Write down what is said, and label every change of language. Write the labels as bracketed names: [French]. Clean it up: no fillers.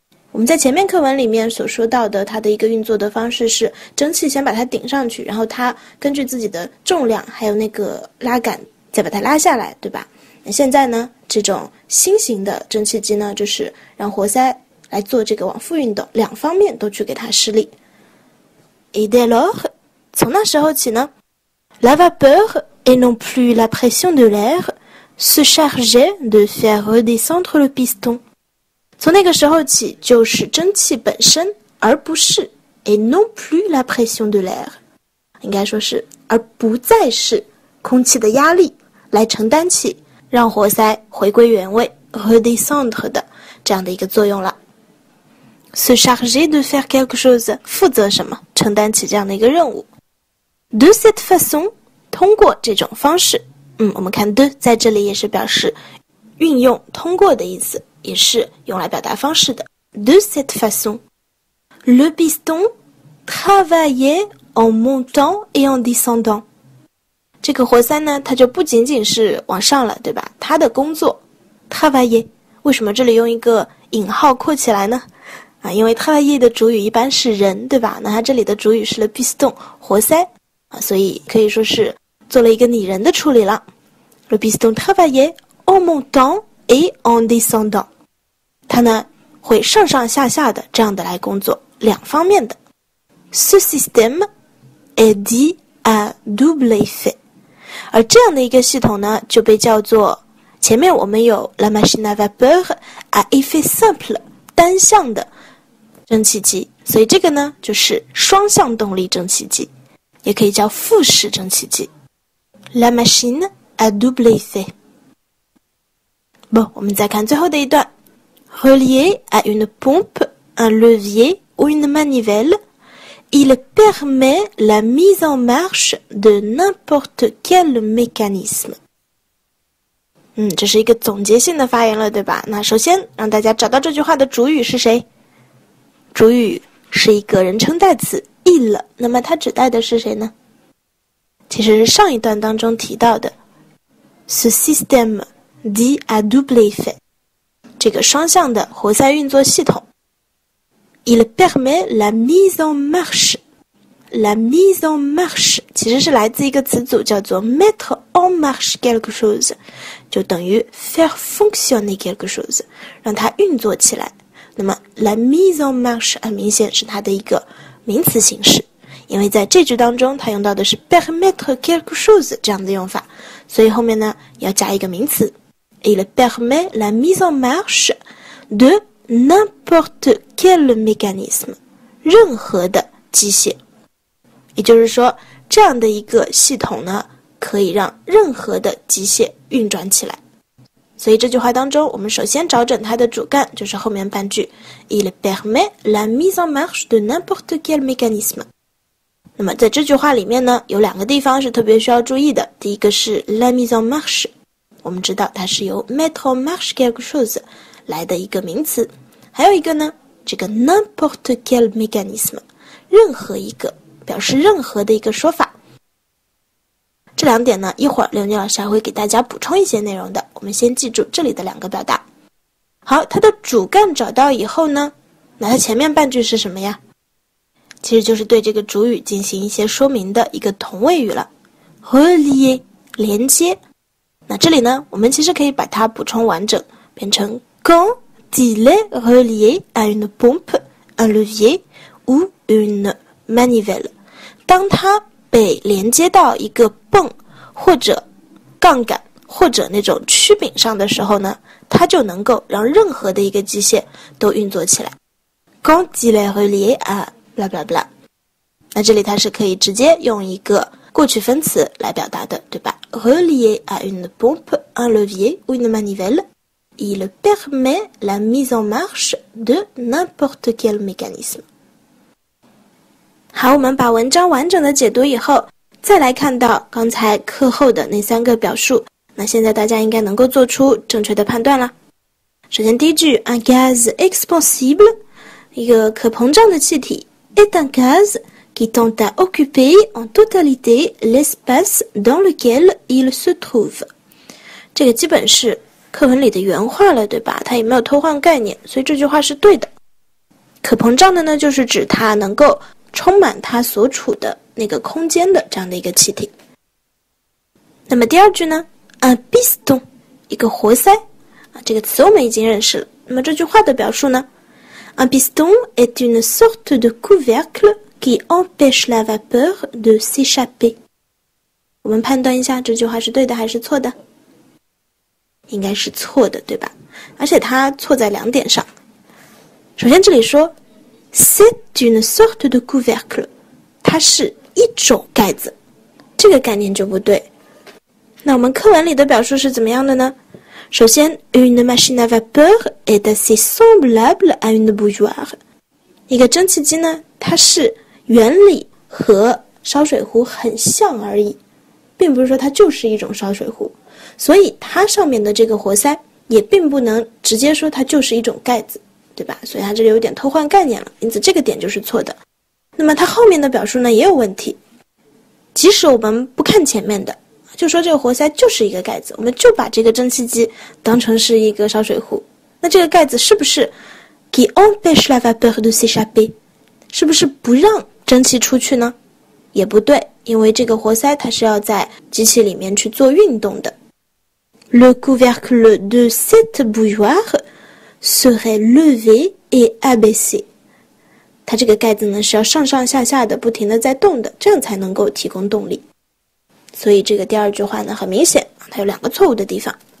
[Chinese] 我们在前面课文里面所说到的它的一个运作的方式是蒸汽先把它顶上去，然后它根据自己的重量还有那个拉杆再把它拉下来，对吧？那现在呢，这种新型的蒸汽机呢，就是让活塞来做这个往复运动，两方面都去给它施力。 [French] Et dès lors， [Chinese] 从那时候起呢， [French] la vapeur et non plus la pression de l'air se chargeait de faire redescendre le piston。 [Chinese] 从那个时候起，就是蒸汽本身，而不是 [French] et non plus la pression de l'air， [Chinese] 应该说是而不再是空气的压力来承担起让活塞回归原位 redescendre 的这样的一个作用了。 [French] Se charger de faire quelque chose， [Chinese] 负责什么，承担起这样的一个任务。 [French] De cette façon， [Chinese] 通过这种方式，我们看 de 在这里也是表示运用、通过的意思。也是用来表达方式的。 [French] De cette façon, le piston travaillait en montant et en descendant. [Chinese] 这个活塞呢，它就不仅仅是往上了，对吧？它的工作 travaillait， 为什么这里用一个引号括起来呢？啊，因为 travaillait 的主语一般是人，对吧？那它这里的主语是 le piston， 活塞啊，所以可以说是做了一个拟人的处理了。 [French] Le piston travaillait en montant。 Et en descendant， [Chinese] 它呢会上上下下的这样的来工作，两方面的。 [French] Ce système est dit à double effet， [Chinese] 而这样的一个系统呢就被叫做，前面我们有 [French] la machine à vapeur à effet simple， [Chinese] 单向的蒸汽机，所以这个呢就是双向动力蒸汽机，也可以叫复式蒸汽机。 [French] La machine a double effet. Bon, on va voir le dernier point. Relié à une pompe, un levier ou une manivelle, il permet la mise en marche de n'importe quel mécanisme. [Chinese] 这是一个总结性的发言了，对吧？那首先让大家找到这句话的主语是谁？主语是一个人称代词 il， 那么它指代的是谁呢？其实是上一段当中提到的 [French] ce système dit à double effet， [Chinese] 这个双向的活塞运作系统。 [French] Il permet la mise en marche， la mise en marche [Chinese] 其实是来自一个词组叫做 [French] mettre en marche quelque chose， [Chinese] 就等于 [French] faire fonctionner quelque chose， [Chinese] 让它运作起来。那么 [French] la mise en marche [Chinese] 很明显是它的一个名词形式，因为在这句当中它用到的是 [French] permettre quelque chose [Chinese] 这样的用法，所以后面呢要加一个名词。 [French] Il permet la mise en marche de n'importe quel mécanisme， [Chinese] 任何的机械，也就是说这样的一个系统呢可以让任何的机械运转起来。所以这句话当中我们首先找准它的主干，就是后面半句 [French] Il permet la mise en marche de n'importe quel mécanisme。 [Chinese] 那么在这句话里面呢有两个地方是特别需要注意的，第一个是 [French] la mise en marche， [Chinese] 我们知道它是由 [French] mettre en marche quelque chose [Chinese] 来的一个名词，还有一个呢这个 [French] n'importe quel mécanisme， [Chinese] 任何一个表示任何的一个说法。这两点呢一会儿刘妮老师还会给大家补充一些内容的，我们先记住这里的两个表达。好，它的主干找到以后呢，那它前面半句是什么呀？其实就是对这个主语进行一些说明的一个同位语了。 [French] relié [Chinese] 连接，那这里呢我们其实可以把它补充完整变成 quand [French] il est relié à une pompe un levier ou une manivelle， [Chinese] 当它被连接到一个泵或者杠杆或者那种曲柄上的时候呢，它就能够让任何的一个机械都运作起来。 [French] Quand il est relié à blah blah blah， [Chinese] 那这里它是可以直接用一个过去分词来表达的，对吧？ [French] Relié à une pompe, un levier ou une manivelle, il permet la mise en marche de n'importe quel mécanisme。 [Chinese] 好，我们把文章完整的解读以后再来看到刚才课后的那三个表述，那现在大家应该能够做出正确的判断了。首先第一句 [French] un gaz expansible， [Chinese] 一个可膨胀的气体 [French] est un gaz qui tend à occuper en totalité l'espace dans lequel il se trouve， [Chinese] 这个基本是课文里的原话了，对吧？它也没有偷换概念，所以这句话是对的。可膨胀的呢就是指它能够充满它所处的那个空间的这样的一个气体。那么第二句呢 [French] un piston [Chinese] 一个活塞，这个词我们已经认识了，那么这句话的表述呢 [French] un piston est une sorte de couvercle qui empêche la vapeur de s'échapper， [Chinese] 我们判断一下这句话是对的还是错的，应该是错的，对吧？而且它错在两点上。首先这里说 [French] C'est une sorte de couvercle， [Chinese] 它是一种盖子，这个概念就不对。那我们课文里的表述是怎么样的呢？首先 [French] une machine à vapeur est assez semblable à une bouilloire， [Chinese] 一个蒸汽机呢它是原理和烧水壶很像而已，并不是说它就是一种烧水壶，所以它上面的这个活塞也并不能直接说它就是一种盖子，对吧？所以它这里有点偷换概念了，因此这个点就是错的。那么它后面的表述呢也有问题，即使我们不看前面的，就说这个活塞就是一个盖子，我们就把这个蒸汽机当成是一个烧水壶，那这个盖子是不是 [French] qui empêche la vapeur de s'échapper， [Chinese] 是不是不让蒸汽出去呢？也不对，因为这个活塞它是要在机器里面去做运动的。 [French] Le couvercle de cette bouilloire serait levé et abaissé， [Chinese] 它这个盖子呢是要上上下下的不停的在动的，这样才能够提供动力。所以这个第二句话呢很明显它有两个错误的地方。